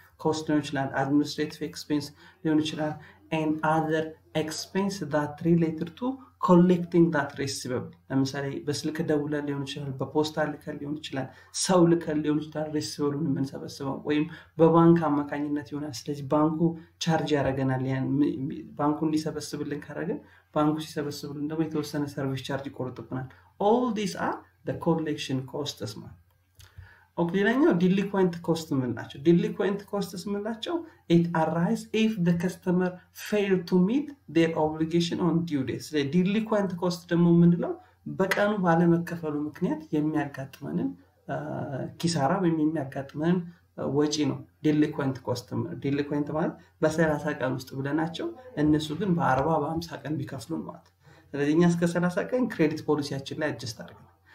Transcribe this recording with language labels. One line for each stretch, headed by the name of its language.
Amharic: ኮስት ነው ይችላል፣ አድሚኒስትሬቲቭ ኤክስፔንስ ሊሆን ይችላል፣
English: ኤን አዘር ኤክስፔንስ ዳት ሪሌትድ ቱ ኮሌክቲንግ ዳት ሪሲቪብል።
Amharic: ለምሳሌ በስልክ ደውለን ሊሆን ይችላል፣ በፖስታ ልከን ሊሆን ይችላል፣ ሰው ልከን ሊሆን ይችላል ሪሲቪብሉን የምንሰበስበው፣ ወይም በባንክ አማካኝነት ይሆናል። ስለዚህ ባንኩ ቻርጅ ያደርገናል። ባንኩን ሊሰበስብልን ካረገ ባንኩ ሲሰበስብልን ደግሞ የተወሰነ ሰርቪስ ቻርጅ ይቆርጥብናል።
English: All these are the collection costs.
Amharic: ኦክሊናኛው delinquent cost ምንላቸው?
English: Delinquent costs
Amharic: ምንላቸው?
English: It arises if the customer failed to meet their obligation on due date.
Amharic: ስለ delinquent cost ደግሞ ምንድነው? በቀኑ ባለመከፈሉ ምክንያት የሚያጋጥመንን ኪሳራ ወይም የሚያጋጥመን ወጪ ነው። Delinquent cost delinquent ማለት በ30 ቀን ውስጥ ብለናቸው እነሱ ግን በ40 በ50 ቀን ቢከፍሉን ማለት ነው። ለዚህኛስ ከሰላሳ ቀን ክሬዲት ፖሊሲያችን ላይ አጀስት አድርገን